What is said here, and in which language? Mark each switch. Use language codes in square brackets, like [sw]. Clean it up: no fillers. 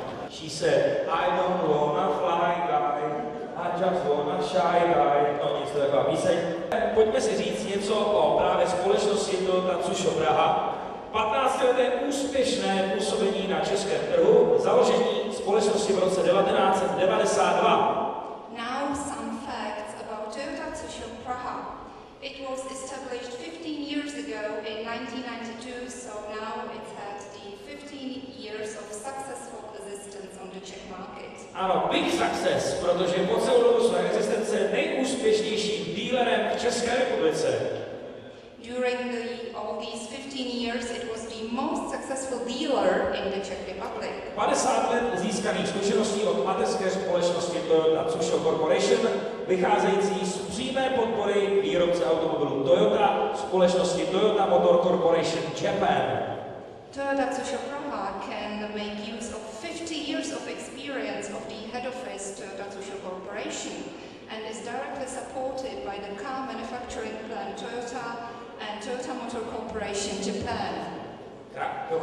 [en] She said, I don't wanna fly guy, I just wanna shy guy. [cs] No nic takové. My se, pojďme si říct něco o právě společnosti Toyota Tsusho Praha. 15-leté úspěšné působení na českém trhu, založení společnosti v roce 1992. [en] Now some facts about Toyota Tsusho Praha. It was established 15 years ago in 1992, so now it's had the 15 years of successful existence on the Czech market. [cs] Ano, [en] big success, [cs] protože po celou dobu své existence nejúspěšnějším dealerem v České republice. [en] During all these 15 years, it was the most successful dealer in the Czech Republic. [cs] 50 let získaných zkušeností od mateřské společnosti Toyota Tsusho Corporation, vycházející z přímé podpory výrobce automobilů Toyota, společnosti Toyota Motor Corporation Japan. [en] Toyota Tsusho Praha can make use of 50 years of experience of the head office Toyota Tsusho Corporation and is directly supported by the car manufacturing plant Toyota and Toyota Motor Corporation Japan.